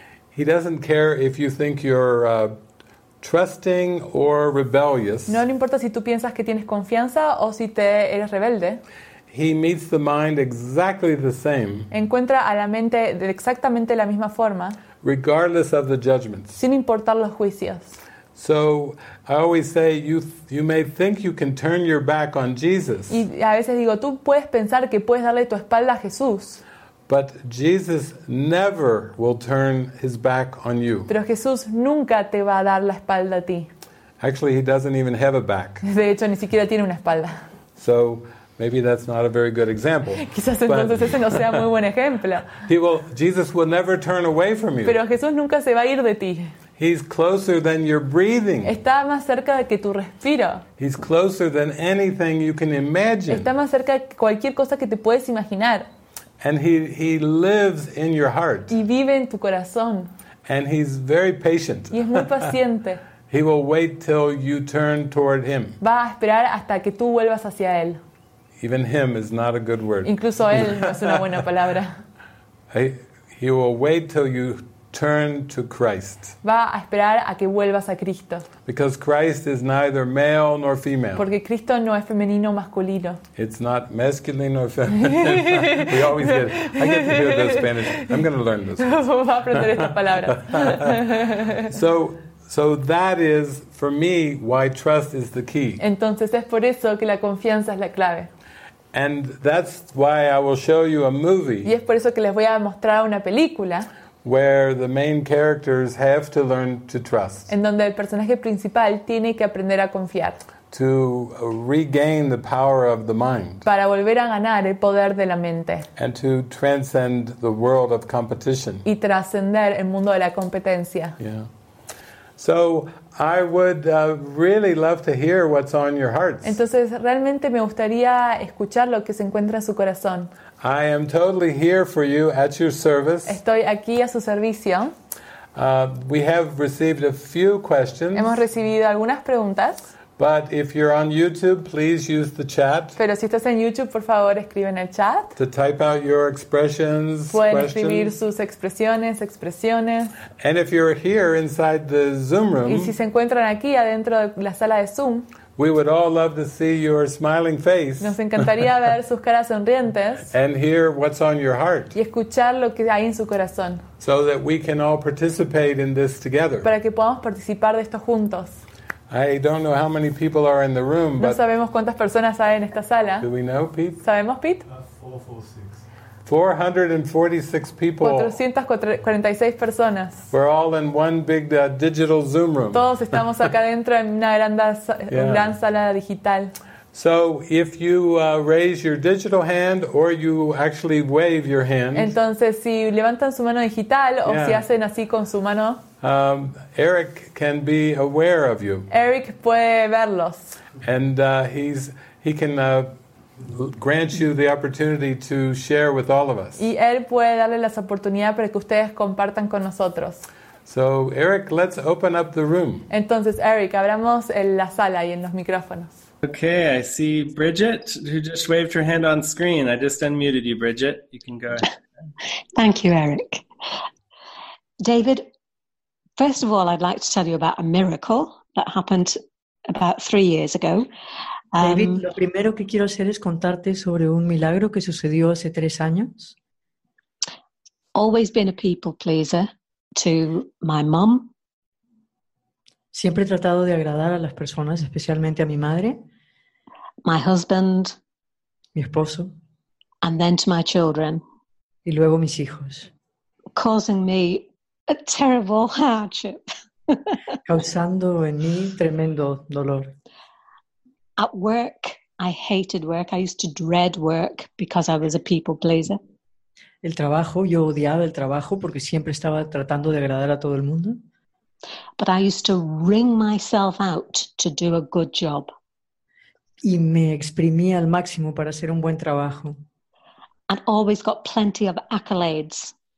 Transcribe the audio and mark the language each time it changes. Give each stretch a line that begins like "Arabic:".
English: He doesn't care if you think you're trusting or rebellious.
Spanish: No le importa si tú piensas que tienes confianza o si te eres rebelde.
English: He meets the mind exactly the same.
Spanish: Encuentra a la mente de exactamente la misma forma.
English: Regardless of the judgments.
Spanish: Sin importar los juicios.
English: So I always say you may think you can turn your back on Jesus.
Spanish: Y a veces digo, tú puedes pensar que puedes darle tu espalda a Jesús.
English: But Jesus never will turn his back on you.
Spanish: Pero Jesús nunca te va a dar la espalda a ti.
English: Actually, he doesn't even have a back.
Spanish: De hecho, ni siquiera tiene una espalda.
English: So maybe that's not a very good example.
Spanish: Quizás entonces ese no sea muy buen ejemplo.
English: Jesus will never turn away from you.
Spanish: Pero Jesús nunca se va a ir de ti.
English: He's closer than your breathing.
Spanish: Está más cerca de que tu respiro.
English: He's closer than anything you can imagine.
Spanish: Está más cerca de cualquier cosa que te puedes imaginar.
English: And he lives in your heart.
Spanish: Y vive en tu corazón.
English: And he's very patient.
Spanish: Y es muy paciente.
English: He will wait till you turn toward him.
Spanish: Va a esperar hasta que tú vuelvas hacia él.
English: Even him is not a good word.
Spanish: Incluso él no es una buena palabra.
English: He will wait till you turn to Christ.
Spanish: Va a esperar a que vuelvas a Cristo.
English: Because Christ is neither male nor female.
Spanish: Porque Cristo no es femenino o masculino.
English: It's not masculine or feminine. We always get. I get to hear the Spanish. I'm going to learn this.
Spanish: Voy a aprender esta palabra.
English: So that is for me why trust is the key.
Spanish: Entonces es por eso que la confianza es la clave.
English: And that's why I will show you a movie.
Spanish: Y es por eso que les voy a mostrar una película.
English: where the main characters have to learn to trust.
Spanish: En donde el personaje principal tiene que aprender a confiar.
English: To regain the power of the mind.
Spanish: Para volver a ganar el poder de la mente.
English: And to transcend the world of competition.
Spanish: Y trascender el mundo de la competencia. Yeah.
English: So I would really love to hear what's on your hearts.
Spanish: Entonces realmente me gustaría escuchar lo que se encuentra en su corazón.
English: I am totally here for you at your service.
Spanish: Estoy aquí a su servicio.
English: We have received a few questions.
Spanish: Hemos recibido algunas preguntas.
English: But if you're on YouTube, please use the chat.
Spanish: Pero si estás en YouTube, por favor, escribe en el chat.
English: To type out your expressions,
Spanish: pueden
English: questions.
Spanish: Escribir sus expresiones.
English: And if you're here inside the Zoom room.
Spanish: Y si se encuentran aquí adentro de la sala de Zoom.
English: We would all love to see your smiling face.
Spanish: Nos encantaría ver sus caras sonrientes.
English: And hear what's on your heart.
Spanish: Y escuchar lo que hay en su corazón.
English: So that we can all participate in this together.
Spanish: Para que podamos participar de esto juntos.
English: I don't know how many people are in the room, but
Spanish: no sabemos cuántas personas hay en esta sala.
English: Do we know, Pete?
Spanish: ¿Sabemos, Pete?
English: 446 people.
Spanish: 446 personas.
English: We're all in one big digital Zoom room.
Spanish: Todos estamos acá dentro en una gran sala digital.
English: So if you raise your digital hand or you actually wave your hand.
Spanish: Entonces si levantan su mano digital o si hacen así con su mano.
English: Eric can be aware of you.
Spanish: Eric puede verlos.
English: And he can grant you the opportunity to share with all of us.
Spanish: Y él puede darle las oportunidades para que ustedes compartan con nosotros.
English: So Eric, let's open up the room.
Spanish: Entonces Eric, abramos en la sala y en los micrófonos.
English: Okay, I see Bridget, who just waved her hand on screen. I just unmuted you, Bridget. You can go ahead. Thank you, Eric. David, first of all, I'd like to tell you about a miracle that happened about 3 years ago.
Spanish: David, lo primero que quiero hacer es contarte sobre un milagro que sucedió hace 3 años.
English: Always been a people pleaser to my mom.
Spanish: Siempre he tratado de agradar a las personas, especialmente a mi madre.
English: My husband.
Spanish: Mi esposo.
English: And then to my children.
Spanish: Y luego mis hijos.
English: Causing me a terrible hardship.
Spanish: Causando en mí tremendo dolor.
English: At work, I hated work. I used to dread work because I was a people pleaser.
Spanish: El trabajo, yo odiaba el trabajo porque siempre estaba tratando de agradar a todo el mundo.
English: But I used to wring myself out to do a good job.
Spanish: Y me exprimía al máximo para hacer un buen trabajo.
English: And always got plenty of accolades.